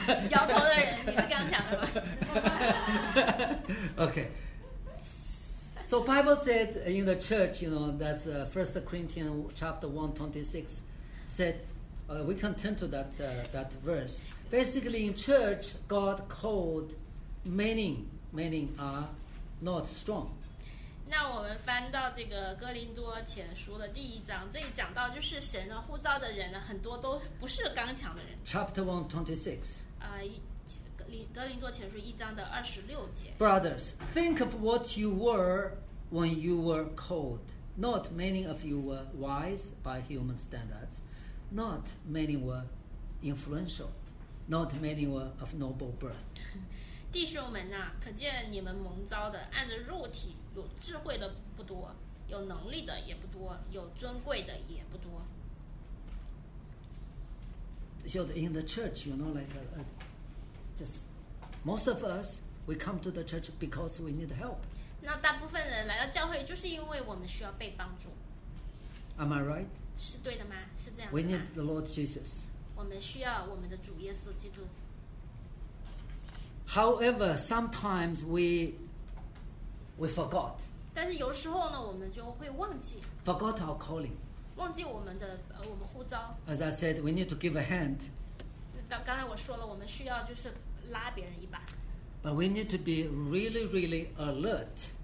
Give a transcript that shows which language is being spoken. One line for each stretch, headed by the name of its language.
Chinese: 摇头的人，你是刚讲的吗
English: ？Okay. So Bible said in the church, you know, that's 1 Corinthians chapter 1:26, said, we can turn to that, that verse. Basically, in church, God called many are not strong.
Chinese: 那我们翻到这个哥林多前书的第一章，这里讲到就是神的呼召的人呢，很多都不是刚强的人。
English: Chapter 1:26.
Chinese: 哥林多前书一章的二十六节。
English: Brothers, think of what you were when you were called. Not many of you were wise by human standards. Not many were influential. Not many were of noble birth.
Chinese: 弟兄们啊，可见你们蒙召的，按着肉体有智慧的不多，有能力的也不多，有尊贵的也不多。
English: So in the church, you know, like most of us, we come to the church because we need help.
Chinese: 那大部分人来到教会就是因为我们需要被帮助。
English: Am I right?
Chinese: 是对的吗？是这样的。
English: We need the Lord Jesus.
Chinese: 我们需要我们的主耶稣基督。
English: However, sometimes we forgot.
Chinese: 但是有时候呢，我们就会忘记。
English: Forgot our calling.
Chinese: 忘记我们的我们呼召。
English: As I said, we need to give a hand.
Chinese: 刚才我说了，我们需要就是。拉别人一把。
English: But we need to be really, really alert.